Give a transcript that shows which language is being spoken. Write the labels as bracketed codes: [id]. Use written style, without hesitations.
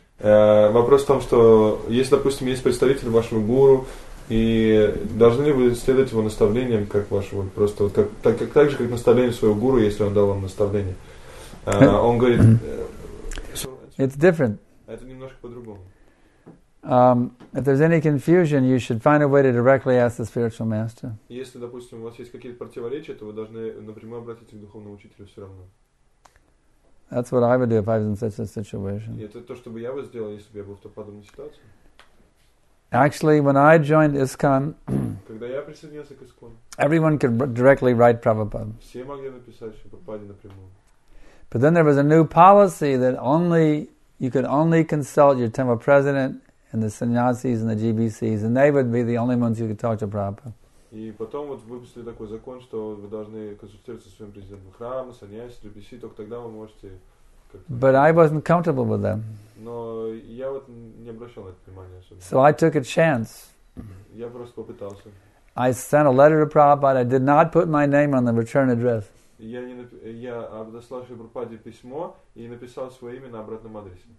[ru] Вопрос в том, что если, допустим, есть представитель вашего гуру, и должны ли вы следовать его наставлениям, как вашего, просто вот так же, как наставление своего гуру, если он дал вам наставление. Он говорит... [en] It's different. [ru] Это немножко по-другому. [en] If there's any confusion, you should find a way to directly ask the spiritual master. [ru] Если, допустим, у вас есть какие-то противоречия, то вы должны напрямую обратиться к духовному учителю все равно. That's what I would do if I was in such a situation. Это то, что бы я бы сделал, если бы я был в той подобной ситуации. [en] Actually, when I joined ISKCON, [ru] когда я присоединился к ISKCON, [en] everyone could directly write Prabhupada. [ru] Все могли написать Прабхупаде напрямую. [en] But then there was a new policy that only you could only consult your temple president and the sannyasis and the GBCs, and they would be the only ones you could talk to Prabhupada. [ru] И потом вот выпустили такой закон, что вы должны консультироваться со своим президентом храма, саньяси, джибиси, только тогда вы можете как-то... [en] But I wasn't comfortable with them. [ru] Но я вот не обращал на это внимания особенно. [en] So I took a chance. [ru] Я просто попытался. [en] I sent a letter to Prabhupada. I did not put my name on the return address. [ru] Я отослал Прабхупаде письмо и написал свое имя на обратном адресе.